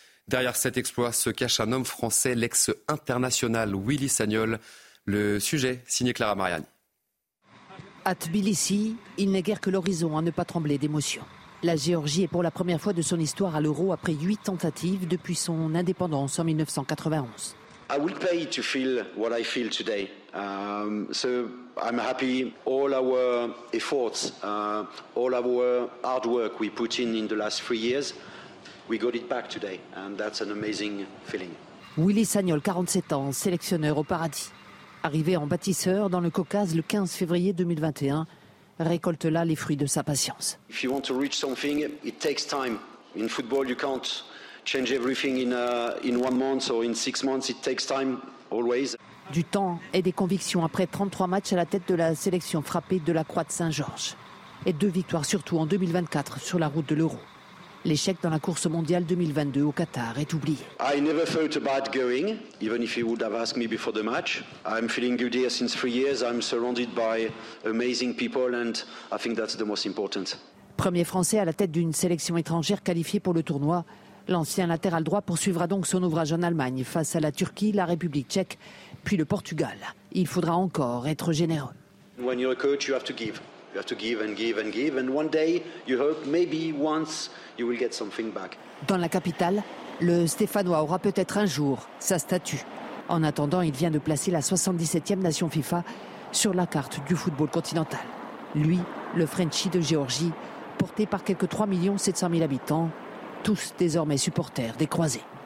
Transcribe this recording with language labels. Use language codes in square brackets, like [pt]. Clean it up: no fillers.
[fr] Derrière cet exploit se cache un homme français, l'ex-international Willy Sagnol. Le sujet, signé Clara Mariani. À Tbilissi, il n'est guère que l'horizon à ne pas trembler d'émotion. La Géorgie est pour la première fois de son histoire à l'Euro après 8 tentatives depuis son indépendance en 1991. [en] I will pay to feel what I feel today. So I'm happy all our efforts, all our hard work we put in the last 3 years, we got it back today and that's an amazing feeling. [fr] Willy Sagnol, 47 ans, sélectionneur au paradis. Arrivé en bâtisseur dans le Caucase le 15 février 2021, récolte là les fruits de sa patience. [en] If you want to reach something, it takes time. In football, you can't change everything in 1 month or in 6 months. It takes time, always. [fr] Du temps et des convictions après 33 matchs à la tête de la sélection frappée de la Croix de Saint-Georges. Et deux victoires surtout en 2024 sur la route de l'Euro. L'échec dans la course mondiale 2022 au Qatar est oublié. [en] I never thought about going, even if you would have asked me before the match. I'm feeling good here since 3 years. I'm surrounded by amazing people and I think that's the most important. [fr] Premier Français à la tête d'une sélection étrangère qualifiée pour le tournoi, l'ancien latéral droit poursuivra donc son ouvrage en Allemagne face à la Turquie, la République tchèque, puis le Portugal. Il faudra encore être généreux. [en] When you're a coach, you have to give. You have to give and give and give. And one day, you hope maybe once you will get something back. [fr] Dans la capitale, le Stéphanois aura peut-être un jour sa statue. En attendant, il vient de placer la 77e nation FIFA sur la carte du football continental. Lui, le Frenchie de Géorgie, porté par quelques 3 700 000 habitants, tous désormais supporters des croisés.